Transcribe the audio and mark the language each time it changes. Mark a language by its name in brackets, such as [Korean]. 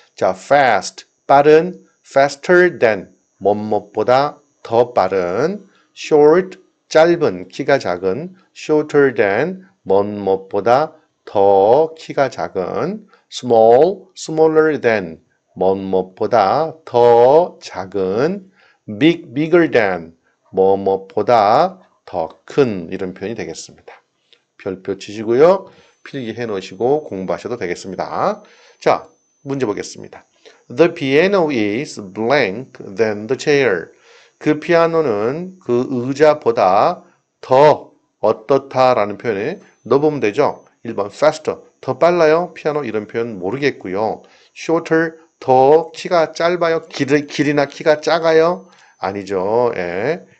[Korean] 자, fast, 빠른, faster than, 뭇뭇보다 더 빠른, short, 짧은, 키가 작은, shorter than, 뭇뭇보다 더 키가 작은, small, smaller than, 뭇뭇보다 더 작은, big, bigger than, 뭇뭇보다 더 큰, 이런 표현이 되겠습니다. 별표 치시고요. 필기해 놓으시고 공부하셔도 되겠습니다. 자, 문제 보겠습니다. [English] The piano is blank than the chair. [Korean] 그 피아노는 그 의자보다 더 어떻다라는 표현에 넣어보면 되죠. 1번, faster, 더 빨라요. 피아노 이런 표현 모르겠고요. shorter, 더 키가 짧아요. 길이나 키가 작아요. 아니죠. 예.